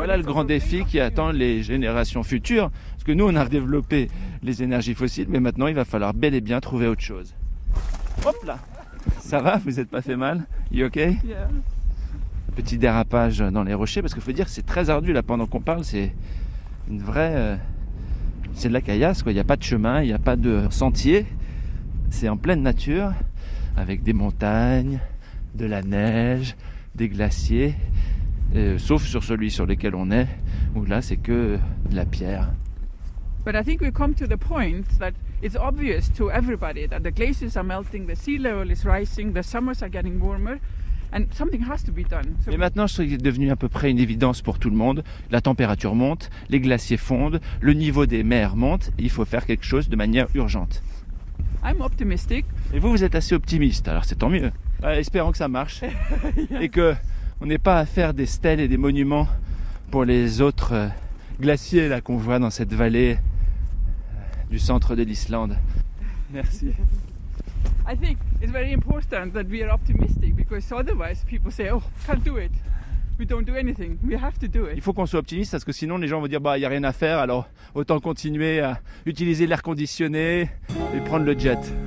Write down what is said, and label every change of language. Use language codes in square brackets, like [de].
[fr] Voilà le grand défi qui attend les générations futures parce que nous on a redéveloppé les énergies fossiles mais maintenant il va falloir bel et bien trouver autre chose. Hop là. Ça va, vous êtes pas fait mal? [en] You okay? Yeah. [fr] Petit dérapage dans les rochers parce qu'il faut dire que c'est très ardu là pendant qu'on parle, c'est une vraie c'est de la caillasse, quoi. Il n'y a pas de chemin, il n'y a pas de sentier. C'est en pleine nature, avec des montagnes, de la neige, des glaciers. Sauf sur celui sur lequel on est, où là, c'est que de la pierre. [en] But I think we come to the point that it's obvious to everybody that the glaciers are melting, the sea level is rising, the summers are getting warmer. And something has to be done. [fr] Mais maintenant, je trouve qu'il est devenu à peu près une évidence pour tout le monde. La température monte, les glaciers fondent, le niveau des mers monte. Il faut faire quelque chose de manière urgente. [en] I'm optimistic. [fr] Et vous, vous êtes assez optimiste, alors c'est tant mieux. Espérons que ça marche. [en] Yes. [fr] Et qu'on n'ait pas à faire des stèles et des monuments pour les autres glaciers là, qu'on voit dans cette vallée du centre de l'Islande. Merci. [en] I think it's very important that we are optimistic because otherwise people say, oh, can't do it. We don't do anything. We have to do it. [fr] Il faut qu'on soit optimiste parce que sinon les gens vont dire, bah, il n'y a rien à faire, alors autant continuer à utiliser l'air conditionné et prendre le jet.